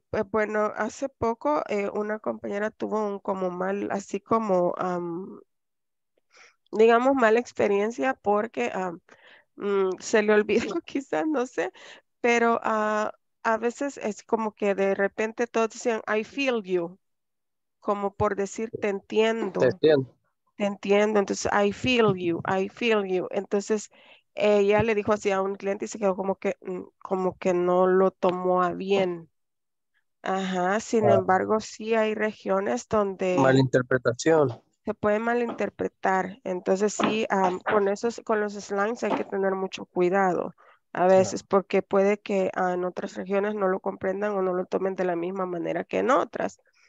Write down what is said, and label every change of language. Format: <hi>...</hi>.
<es>Bueno, hace poco una compañera tuvo un como mal, así como, digamos, mala experiencia porque se le olvidó quizás, no sé, pero a veces es como que de repente todos decían,</es> <en>I feel you,</en> <es>como por decir, te entiendo. Te entiendo. Te entiendo, entonces,</es> <en>I feel you, I feel you.</en> <es>Entonces, ella le dijo así a un cliente y se quedó como que no lo tomó a bien. Ajá, sin embargo, sí hay regiones donde... Malinterpretación. Se puede malinterpretar. Entonces, sí, con los slangs hay que tener mucho cuidado a veces, porque puede que en otras regiones no lo comprendan o no lo tomen de la misma manera que en otras.</es>